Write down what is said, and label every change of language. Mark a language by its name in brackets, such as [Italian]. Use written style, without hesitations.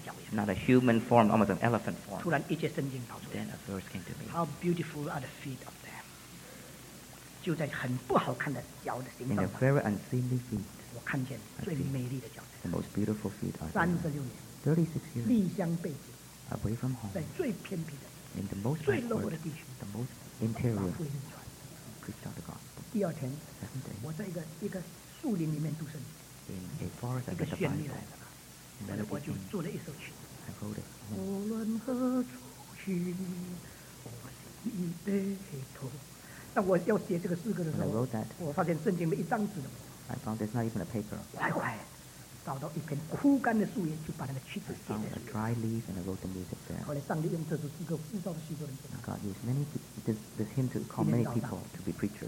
[English] Not a human form, almost an elephant form. [Chinese] 突然一些圣经跑出来。 [English] Then a verse came to me. How beautiful are the feet of them? [Chinese] 就在很不好看的脚的形状。 [English] In a very unseemly feet. [Chinese] 我看见最美丽的脚。 [English] The most beautiful feet are. [Chinese] 36年。 [English] 36 years. [Chinese] 离乡背井。 [English] Away from home. [Chinese] 在最偏僻的。 [English] In the most. [Chinese] 最落后的地区。 [English] The most interior. [Chinese] 福音传。 [English] Preach the gospel. [Chinese] 第二天。 [English] Second day. [Chinese] 我在一个树林里面读圣经。 [English] In a forest, [Chinese] 一个旋律。我就做了一首曲子 [English] I wrote it [Chinese] 无论何处去我心被偷那我要写这个诗歌的时候 [English] I wrote that [Chinese] 我发现圣经没一张纸的 [English] I found there's not even a paper [Chinese] 快快找到一片枯干的树叶就把那个曲子写在 [English] I found a dry leaf and I wrote the music there [Chinese] 后来上帝用这首诗歌呼召了许多人 [English] God used many this hymn to call many people to be preachers